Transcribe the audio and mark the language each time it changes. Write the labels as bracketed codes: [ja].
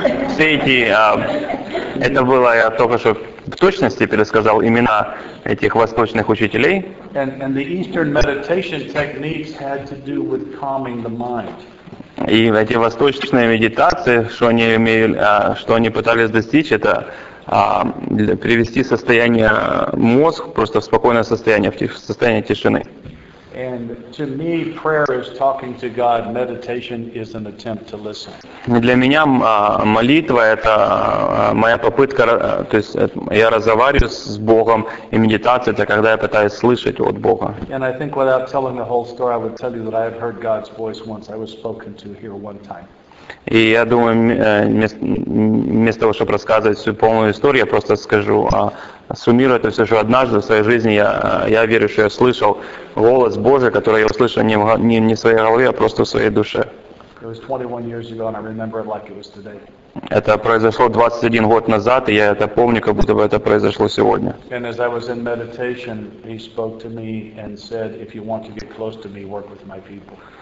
[ru] Все эти, это было, я только что в точности пересказал имена этих восточных учителей. [en] And the Eastern meditation techniques had to do with calming the mind. [ru] И эти восточные медитации, что они пытались достичь, это привести состояние мозг просто в спокойное состояние, в состояние тишины. [en] And to me, prayer is talking to God. Meditation is an attempt to listen. [ru] Для меня молитва — это моя попытка, то есть я разговариваю с Богом, и медитация — это когда я пытаюсь слышать от Бога. [en] And I think without telling the whole story, I would tell you that I have heard God's voice once. I was spoken to here one time. [ru] И я думаю, вместо того, чтобы рассказывать всю полную историю, я просто скажу, суммирую это все, что однажды в своей жизни я верю, что я слышал голос Божий, который я услышал не в своей голове, а просто в своей душе. [en] It was 21 years ago, and I remember it like it was today. [ru] Это произошло 21 год назад, и я это помню, как будто бы это произошло сегодня. [en] And as I was in meditation, he spoke to me and said, if you want to get close to me, work with my people.